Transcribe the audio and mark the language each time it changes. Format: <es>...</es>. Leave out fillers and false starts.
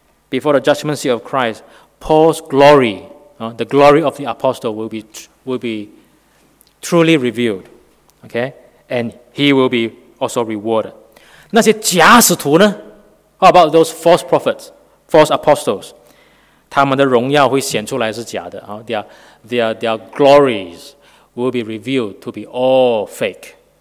<en>Before the judgment seat of Christ, Paul's glory,the glory of the apostle will be truly revealed, okay, and he will be also rewarded.</en> <zh>那些假使徒呢</zh> <en>？How about those false prophets? false apostles.</en> <zh>他们的荣耀会显出来是假的。</zh> <en>Their glories will be revealed to be all fake.</en>